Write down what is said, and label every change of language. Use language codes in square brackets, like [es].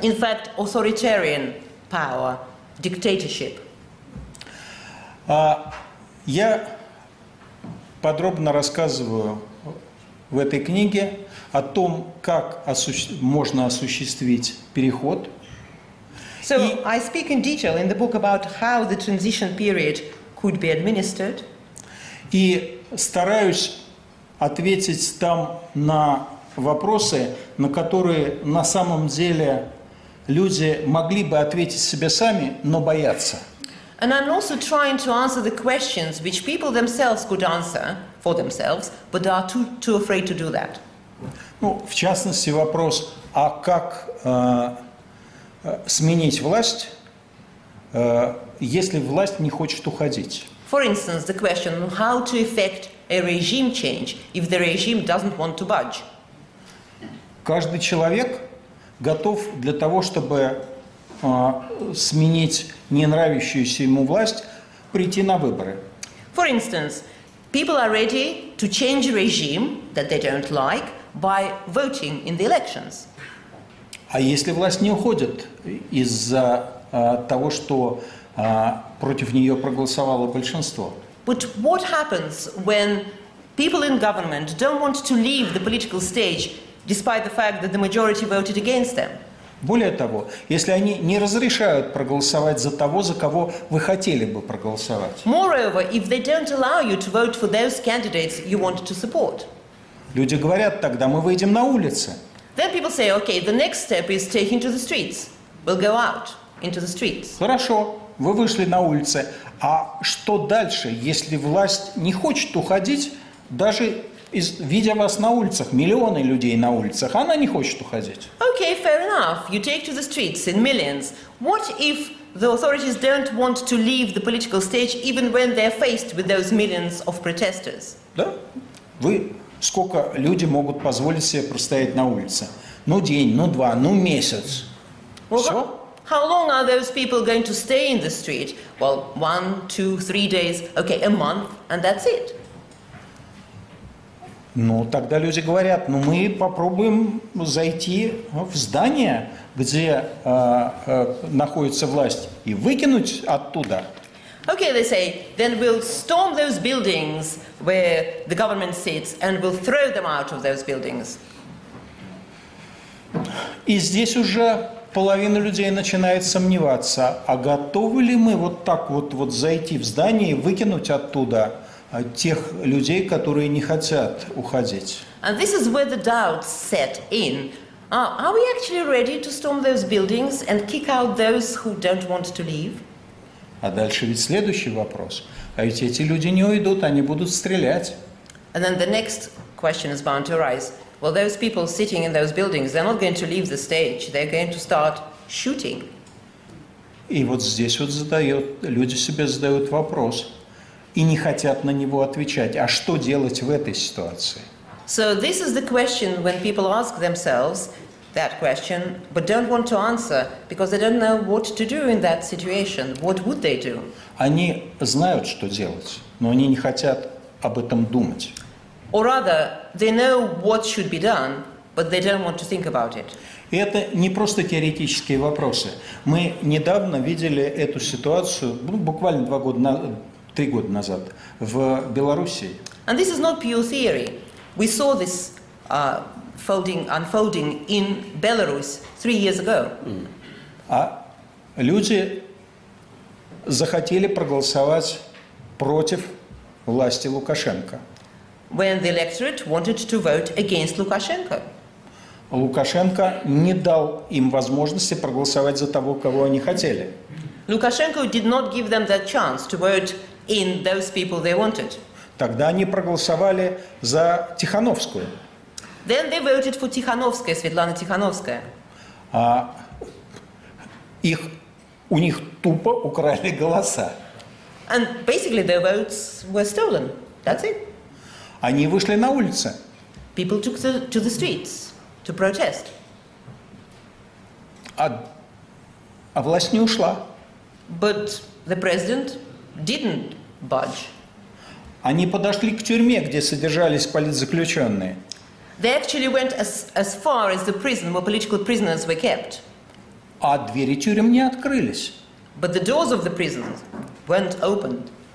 [en] In fact, authoritarian power, dictatorship. [ru] Я подробно рассказываю в этой книге о том, как можно осуществить переход. [en] So I speak in detail in the book about how the transition period could be administered. [ru] И стараюсь ответить там на вопросы, на которые на самом деле люди могли бы ответить себе сами, но боятся. [en] And I'm also trying to answer the questions which people themselves could answer for themselves, but are too afraid to do that. [ru] Ну, в частности, вопрос, а как сменить власть, если власть не хочет уходить? [en] For instance, the question, how to effect a regime change if the regime doesn't want to budge? [ru] Каждый человек готов для того, чтобы сменить ненравящуюся ему власть, прийти на выборы. [en] For instance, people are ready to change a regime that they don't like by voting in the elections. [ru] А если власть не уходит из-за того, что против нее проголосовало большинство? [en] But what happens when people in government don't want to leave the political stage despite the fact that the majority voted against them? [ru] Более того, если они не разрешают проголосовать за того, за кого вы хотели бы проголосовать. [en] Moreover, if they don't allow you to vote for those candidates you wanted to support. [ru] Люди говорят, тогда мы выйдем на улицы. [en] Then people say, okay, the next step is taking to the streets. We'll go out into the streets. [ru] Хорошо, вы вышли на улицы. А что дальше, если власть не хочет уходить, даже видя вас на улицах, миллионы людей на улицах, она не хочет уходить. [en] Okay, fair enough. You take to the streets in millions. What if the authorities don't want to leave the political stage even when they're faced with those millions of protesters? [ru] Да? Вы сколько люди могут позволить себе простоять на улице? Ну день, ну два, ну месяц. [en] Well, [ru] все? [en] How long are those people going to stay in the street? Well, 1, 2, 3 days. Okay, a month, and that's it. [ru] Ну, тогда люди говорят, ну, мы попробуем зайти в здание, где находится власть, и выкинуть оттуда. [en] Okay, they say, then we'll storm those buildings where the government sits and we'll throw them out of those buildings. [ru] И здесь уже половина людей начинает сомневаться, а готовы ли мы вот так вот, вот зайти в здание и выкинуть оттуда тех людей, которые не хотят уходить. [en] And this is where the doubts set in. Are we actually ready to storm those buildings and kick out those who don't want to leave? [ru] А дальше ведь следующий вопрос. А ведь эти люди не уйдут, они будут стрелять. [en] And then the next question is bound to arise. Well, those people sitting in those buildings, they're not going to leave the stage. They're going to start shooting. [ru] И вот здесь вот задают, люди себе задают вопрос и не хотят на него отвечать. А что делать в этой ситуации? [en] So this is the question when people ask themselves that question, but don't want to answer because they don't know what to do in that situation. What would they do? [ru] Они знают, что делать, но они не хотят об этом думать. [en] Or rather, they know what should be done, but they don't want to think about it. [ru] Это не просто теоретические вопросы. Мы недавно видели эту ситуацию, буквально три года назад, в Белоруссии. [en] And this is not pure theory. We saw this unfolding in Belarus 3 years ago. [ru] А люди захотели проголосовать против власти Лукашенко. [en] When the electorate wanted to vote against Lukashenko. [ru] Лукашенко не дал им возможности проголосовать за того, кого они хотели. [en] Lukashenko did not give them that chance to vote in those people they wanted. [ru] Тогда они проголосовали за Тихановскую. [en] Then they voted for Тихановская, Светлана Тихановская. [ru] А их, у них тупо украли голоса. [en] And basically their votes were stolen. That's it. [ru] Они вышли на улицы. [en] People took to the streets to protest. [ru] А власть не ушла. [en] But the president didn't budge. [ru] Они подошли к тюрьме, где содержались политзаключенные. [en] They actually went as far as the prison where political prisoners were kept. [ru] А двери тюрем не открылись. [en] But the doors of the prisons weren't opened.